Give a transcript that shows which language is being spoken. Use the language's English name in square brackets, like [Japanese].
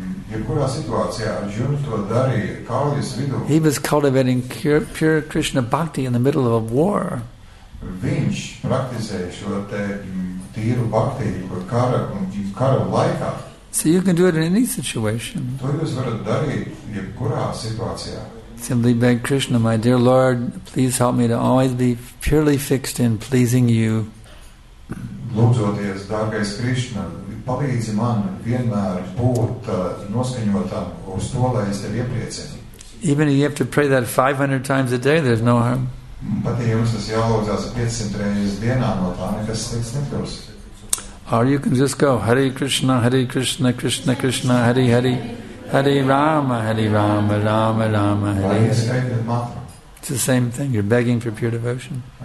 [Latvian] jebkurā situācijā Arjuna to darīja kaujas vidū. [English] He was cultivating pure Krishna bhakti in the middle of a war. [Latvian] Viņš praktizēja šo te tīru bhakti, kur kara un kara laikā. [English] So you can do it in any situation. [Latvian] To jūs varat darīt jebkurā situācijā. [English] Simply beg Krishna, my dear Lord, please help me to always be purely fixed in pleasing you. [Latvian] Lūdzoties, dārgais Krishna, palīdzi man vienmēr būt noskaņotam uz to, lai es tevi iepriecinu. [English] Even if you have to pray that 500 times a day, there's no harm. [Latvian] Pat, ja jums tas jālūdzās 500 reizes dienā, no tā nekas slikts nekļūs. [English] Or you can just go, Hare Krishna, Hare Krishna, Krishna Krishna, Hare Hare. Hare Rama, Hare Rama, Rama Rama, Hare. It's the same thing. You're begging for pure devotion.